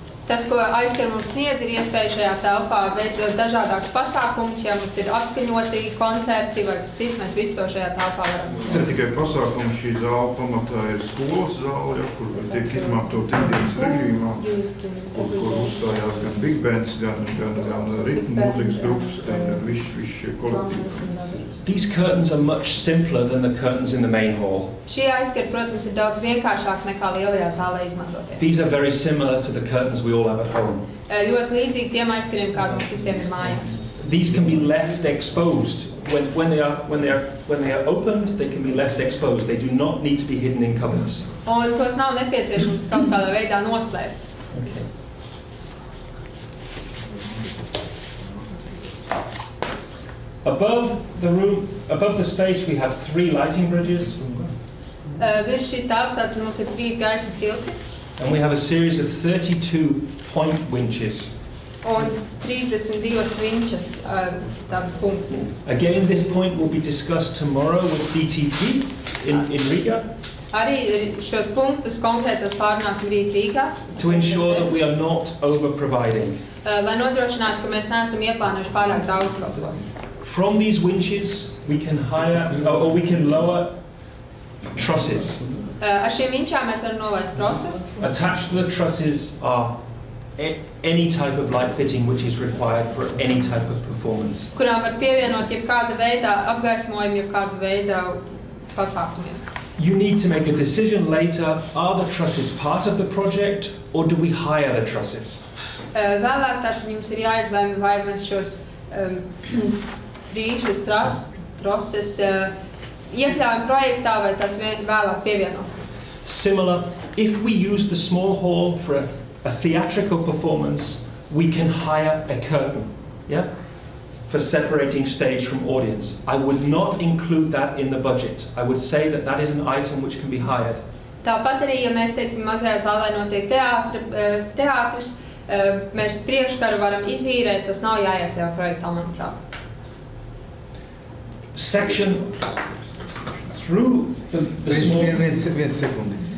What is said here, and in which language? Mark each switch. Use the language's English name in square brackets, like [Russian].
[Latvian] Tas, ko aizskar mums sniedz, ir iespēja šajā telpā veidot dažādākus pasākumus, ja mums ir apskaņotī koncerti vai kas cits, mēs visu to šajā telpā varam. Ne tikai pasākumi, šī zāle pamatā ir skolas zāle, ja, kur tiek izmantot ikdienas režīmā, kur uzstājās gan big bands, gan ritmu mūzikas grupas, gan viss kolektīvs. [English] These curtains are much simpler than the curtains in the main hall. [Latvian] Šī aizskar, protams, ir daudz vienkāršāk nekā lielajā zālē izmantotie. [English] These are very similar to the curtains as we all have at home. [Latvian] Ļoti līdzīgi tiem aizskariem, kādus mums visiem ir mājās. [English] These can be left exposed when they are opened, they can be left exposed. They do not need to be hidden in cupboards. [Latvian] Un tos nav nepieciešams kaut kādā veidā noslēpt. [English] Okay. Above the space we have three lighting bridges. [Latvian] Virs šīs telpas tātad mums ir trīs gaismas filtri. [English] And we have a series of 32 point winches. [Latvian] Un 32 winches tādu punktu. [English] Again, this point will be discussed tomorrow with DTP in Riga. [Latvian] Arī šos punktus konkrētos pārunāsim rīt Rīgā. [English] To ensure that we are not over-providing. [Latvian] Lai nodrošinātu, ka mēs neesam ieplānojuši pārāk daudz kaut ko. [English] From these winches, we can higher or we can lower trusses. [Latvian] Ar šiem vinčām mēs varam novēst trosses. [English] Attached to the trusses are any type of light fitting which is required for any type of performance. [Latvian] Kurām var pievienot jebkāda veidā apgaismojumu, jebkāda veidā pasākumiem. [English] You need to make a decision later, are the trusses part of the project or do we hire the trusses? [Latvian] Vēlāk tātad jums ir jāizlēm, vai mēs šos rīžus trosses iekļāvam projektā, vai tas vēlāk pievienos. [English] Similar, if we use the small hall for a theatrical performance, we can hire a curtain, yeah? For separating stage from audience. I would not include that in the budget. I would say that that is an item which can be hired. [Latvian] Tāpat arī, ja mēs teicam, mazajā zālē notiek teātris, mēs prieškaru varam izīrēt, tas nav jāiekļāv projektā, manuprāt. [English] Section through [Latvian] viens sekundi.